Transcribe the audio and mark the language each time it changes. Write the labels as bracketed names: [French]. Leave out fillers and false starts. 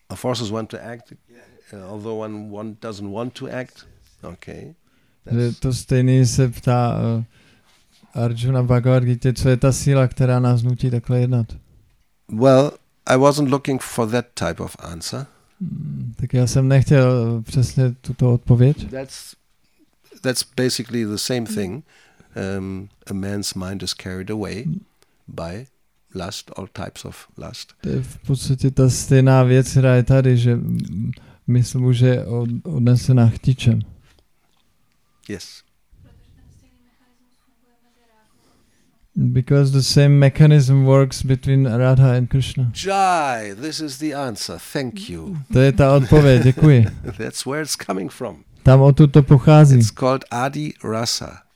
[English] Forces one to act, although one doesn't want to act. Okay. [Czech] To stejný se ptá Arjuna Bhagavad Gita, co je ta síla, která nás nutí takhle jednat? [English] Well, I wasn't looking for that type of answer. [Czech] Tak já jsem nechtěl přesně tuto odpověď. [English] That's basically the same thing. A man's mind is carried away by lust, all types of lust. [Czech] To je v podstatě ta stejná věc, která je tady, že mysl může odnesena chtičem. [English] Yes. Because the same mechanism works between Radha and Krishna. Jai, this is the answer. Thank you. [Czech] To je ta odpověď, děkuji. [English] That's where it's coming from. [Czech] Tam odtud to pochází. [English] It's called Adi Rasa.